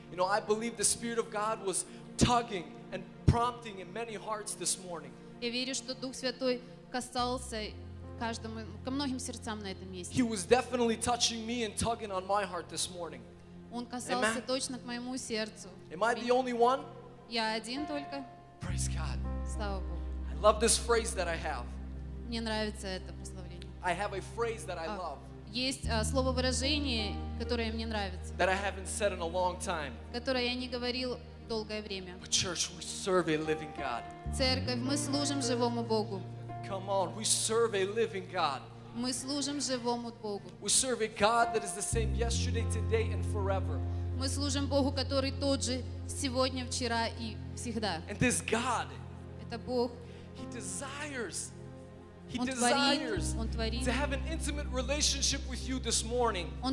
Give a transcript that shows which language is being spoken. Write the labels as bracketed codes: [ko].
[ru] Я верю, что Дух Святой был [en] tugging and prompting in many hearts this morning. [ru] Я верю, что Дух Святой касался каждому, ко многим сердцам на этом месте. [en] He was definitely touching me and tugging on my heart this morning. [ru] Он касался точно к моему сердцу. [en] Am I the only one? [ru] Я один только. [en] Praise God. [ru] Слава Богу. [en] I love this phrase that I have. [ru] Мне нравится это прославление. [en] I have a phrase that I love. [ru] Есть слово выражение, которое мне нравится. [en] That I haven't said in a long time. [ru] Которое я не говорил долгое время. [en] But church, we serve a living God. [ru] Церковь, мы служим живому Богу. [en] Come on, we serve a living God. [ru] Мы служим живому Богу. [en] We serve a God that is the same yesterday, today, and forever. [ru] Мы служим Богу, который тот же сегодня, вчера и всегда. [en] And this God, [ru] это Бог, [en] He desires. He desires to have an intimate relationship with you this morning.